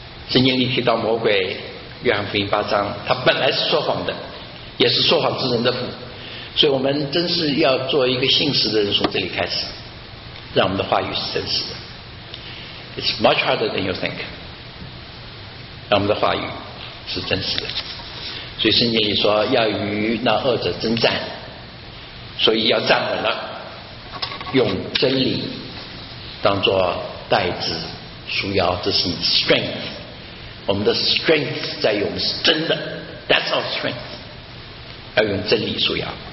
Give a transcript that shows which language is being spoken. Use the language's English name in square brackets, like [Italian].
[Chinese] 圣经里提到魔鬼，约翰福音八章，他本来是说谎的，也是说谎之人的父。所以我们真是要做一个信实的人，从这里开始，让我们的话语是真实的。 [English] It's much harder than you think， [Chinese] 让我们的话语是真实的。所以圣经里说要与那恶者征战，所以要站稳了，用真理当作带子束腰，这是你的 strength。我们的 strength 在于我们是真的， [English] That's our strength， [Chinese] 要用真理束腰。